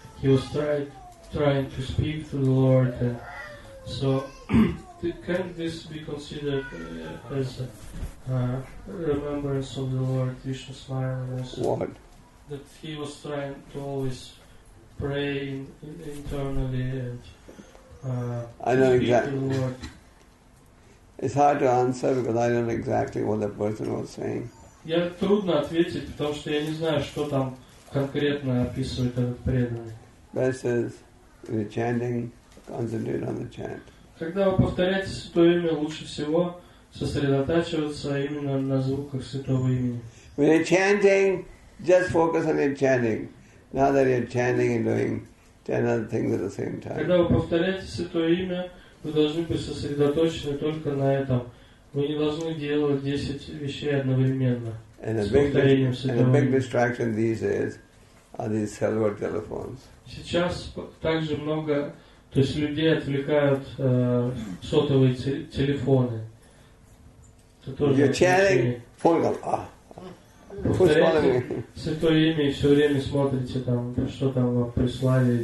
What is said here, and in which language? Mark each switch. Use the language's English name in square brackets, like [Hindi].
[English] He was trying to speak to the Lord. And so can this be considered as a remembrance of the Lord Vishnu Smaranam? What? That he was trying to always pray internally and I know exactly. It's hard to answer because I don't know exactly what the person was saying. [Russian] Я трудно ответить, потому что я не знаю, что там конкретно описывает этот преданный. [English] Versus the chanting, concentrate on the chant. [Russian] Когда вы повторяете святое имя, лучше всего сосредотачиваться именно на звуках святого имени. [English] When you're chanting, just focus on your chanting. Now that you're chanting and doing 10 other things at the same time. [Russian] Когда вы повторяете святое имя, вы должны быть сосредоточены только на этом. Вы не должны делать 10 вещей одновременно. [English] And [Russian] с повторением святого имя. [English] A big distraction these days are these cellular telephones. [Russian] Сейчас также много, то есть людей отвлекают сотовые телефоны. [English] You're chanting, phone call. Ah. [Russian] Повторяйте святое имя и все время смотрите, там, что там вам прислали.